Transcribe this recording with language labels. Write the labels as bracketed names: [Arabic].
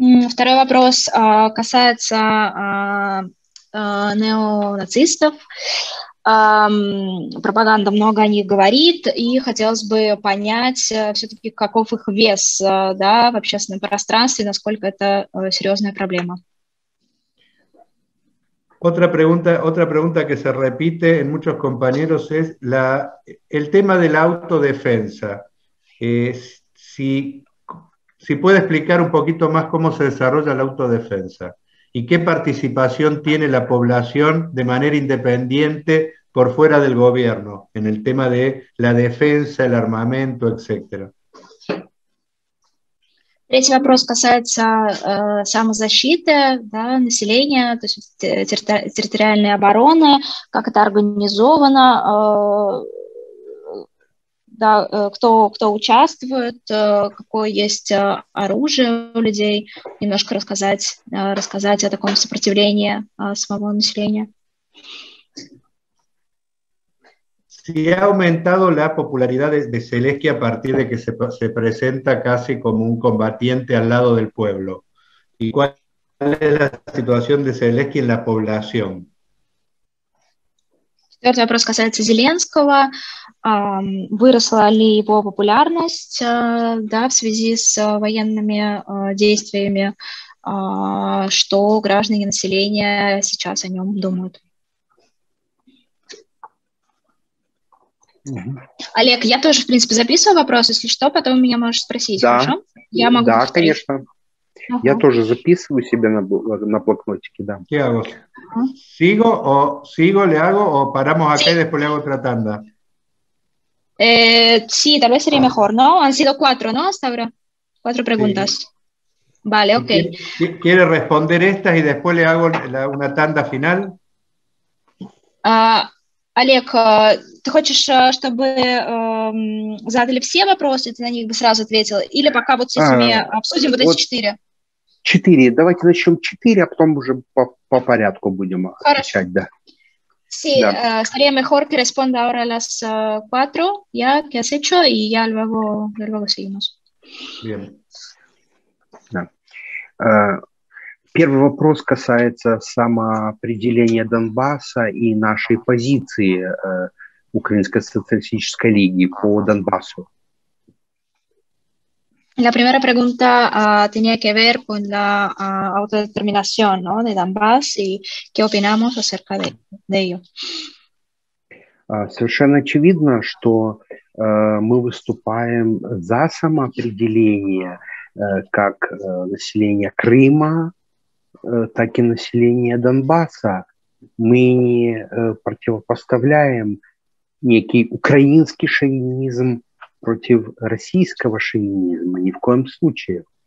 [Russian] Второй вопрос касается неонацистов. Пропаганда много о них говорит, и хотелось бы понять все-таки, каков их вес, да, в общественном пространстве, насколько это серьезная проблема. [Spanish] Otra pregunta que se repite en muchos compañeros es el tema de la autodefensa. Si Si puede explicar un poquito más cómo se desarrolla la autodefensa y qué participación tiene la población de manera independiente por fuera del gobierno en el tema de la defensa, el armamento, etc. [Russian] Третий вопрос касается самозащиты, да, населения, то есть территориальной обороны, как это организовано, да, кто участвует, какое есть оружие у людей, немножко рассказать о таком сопротивлении самого населения. [Spanish] Si ha aumentado la popularidad de Zelensky a partir de que se presenta casi como un combatiente al lado del pueblo. ¿Y cuál es la situación de Zelensky en la población? [Russian] Четвертый вопрос касается Зеленского. Выросла ли его популярность да, в связи с военными действиями? Что граждане населения сейчас о нем думают? Угу. Олег, я тоже, в принципе, записываю вопрос, если что, потом меня можешь спросить, да. Хорошо? Я могу да, повторить. Конечно. Угу. Я тоже записываю себе на блокнотике, да. [Spanish] ¿Qué hago? Угу. ¿Sigo o sigo, le hago o paramos acá sí. y después le hago otra tanda? Sí, tal vez sería ah. mejor, ¿no? Han sido cuatro, ¿no? Hasta ahora. Cuatro preguntas. Sí. Vale, ok. ¿Quiere responder estas y después le hago una tanda final? [Russian] Олег, ты хочешь, чтобы задали все вопросы, ты на них бы сразу ответил, или пока вот с этими обсудим вот эти четыре? Четыре, давайте начнем четыре, а потом уже по порядку будем Хорошо. Отвечать, да. [Spanish] Sí, estaría mejor que responda ahora las cuatro, ya que has hecho, y ya luego seguimos. Bien. [Russian] Да. Первый вопрос касается самоопределения Донбасса и нашей позиции Украинской социалистической лиги по Донбассу. [Spanish] La primera pregunta tenía que ver con la autodeterminación, ¿no? de Донбасс y qué opinamos acerca de ello. [Russian] Совершенно очевидно, что мы выступаем за самоопределение как население Крыма, так и население Донбасса. Мы не противопоставляем некий украинский шовинизм против российского шовинизма, ни в коем случае.